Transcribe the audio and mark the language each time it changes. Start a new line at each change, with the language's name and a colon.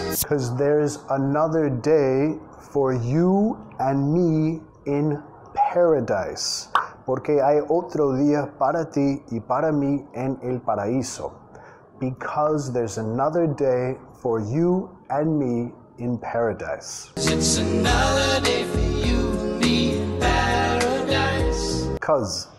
English: 'Cause there's another day for you and me in paradise.
Spanish: Porque hay otro día para ti y para mí en el paraíso.
English: Because there's another day for you and me in paradise. It's another day for you and me in paradise.